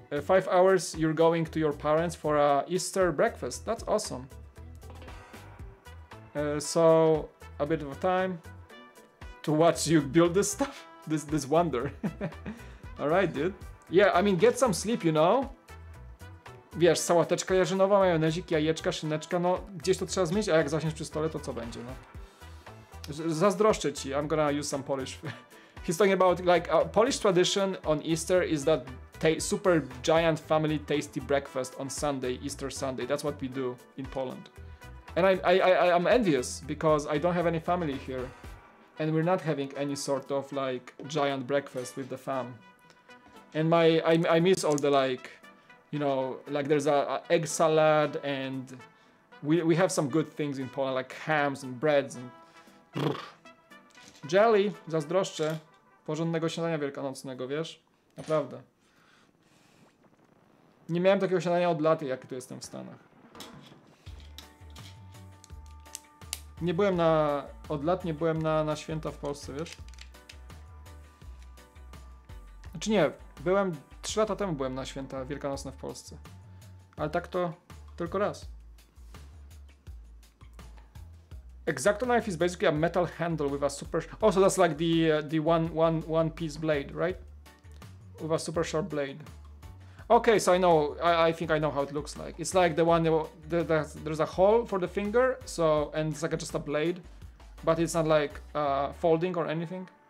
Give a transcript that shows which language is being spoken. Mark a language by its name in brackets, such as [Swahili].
[English] 5 hours, you're going to your parents for a Easter breakfast. That's awesome. So a bit of time to watch you build this stuff, this wonder. All right, dude. Yeah, I mean, get some sleep, you know. [Polish] wiesz, sałateczka jarzynowa, majonezik, jajeczka, szyneczka, no gdzieś to trzeba zmienić, a jak zaczniesz przy stole, to co będzie, no. Zazdroszczę ci, [English] I'm gonna use some Polish. He's talking about, like, Polish tradition on Easter is that super giant family tasty breakfast on Sunday, Easter Sunday. That's what we do in Poland. And I'm envious because I don't have any family here. And we're not having any sort of like giant breakfast with the fam. And I miss all the, like, you know, like there's a egg salad, and we have some good things in Poland, like hams and breads and jelly. [Polish] Zazdroszczę. Porządnego śniadania wielkanocnego, wiesz? Naprawdę. Nie miałem takiego śniadania od lat, jak tu jestem w Stanach. Nie byłem na... Od lat nie byłem na święta w Polsce, wiesz? Znaczy nie, byłem... 3 lata temu byłem na święta wielkanocne w Polsce. Ale tak to tylko raz. [English] Exacto knife is basically a metal handle with a super... Also, that's like the one piece blade, right? With a super sharp blade. Okay, so I know, I think I know how it looks like. It's like the one, there's a hole for the finger, so, and it's like just a blade, but it's not like folding or anything.